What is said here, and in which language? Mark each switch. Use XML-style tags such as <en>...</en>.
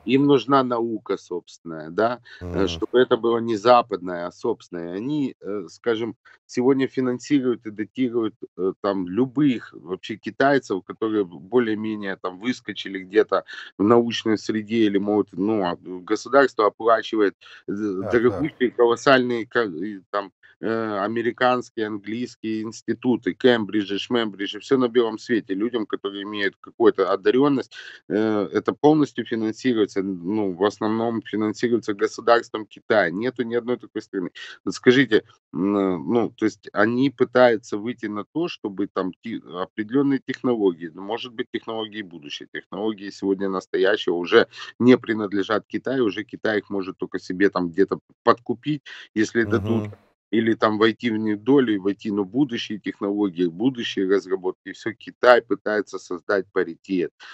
<uk>Їм нужна наука, собственна, да? Щоб це було не западне, а собственне. Вони, скажімо, сьогодні фінансують і датують там любих вообще китайців, які більш-менш там вискочили где-то в научній среді, або можуть, ну, государство оплачує дорогущі колосальні там</uk> <ru>американские, английские институты,</ru> <uk>Кембридж, Шмембридж,</uk> <ru>все на белом свете. Людям, которые имеют какую-то одаренность, это полностью финансируется, ну, в основном финансируется государством Китая. Нету ни одной такой страны. Скажите, ну, то есть они пытаются выйти на то, чтобы там определенные технологии, может быть, технологии будущего, технологии сегодня настоящего уже не принадлежат Китаю, уже Китай их может только себе там где-то подкупить, если дадут или там войти в них долю, войти, но будущие технологии, будущие разработки, все, Китай пытается создать паритет.</ru>